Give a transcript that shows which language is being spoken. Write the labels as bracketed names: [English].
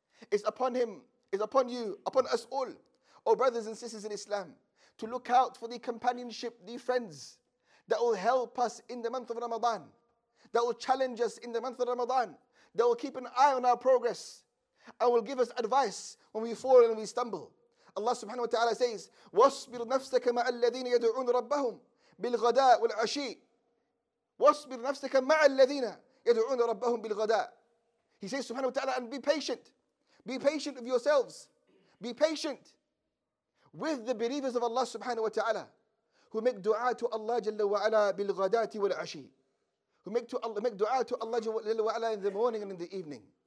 [English] It's upon him, it's upon you, upon us all, our brothers and sisters in Islam, to look out for the companionship, the friends that will help us in the month of Ramadan, that will challenge us in the month of Ramadan, that will keep an eye on our progress and will give us advice when we fall and we stumble. [Arabic] Allah subhanahu wa ta'ala says, وَاصْبِرْ نَفْسَكَ مَعَ الَّذِينَ يَدْعُونَ رَبَّهُمْ بِالْغَدَاءِ وَالْعَشِيِّ وَاصْبِرْ نَفْسَكَ مَعَ الَّذِينَ يَدْعُونَ رَبَّهُمْ بِالْغَدَاءِ. [English] He says subhanahu wa ta'ala, and be patient. Be patient of yourselves. Be patient with the believers of Allah subhanahu wa ta'ala who make dua to Allah jalla wa ala [Arabic] bil-ghadati wal-ashi. [English] Who make dua to Allah jalla wa ala in the morning and in the evening.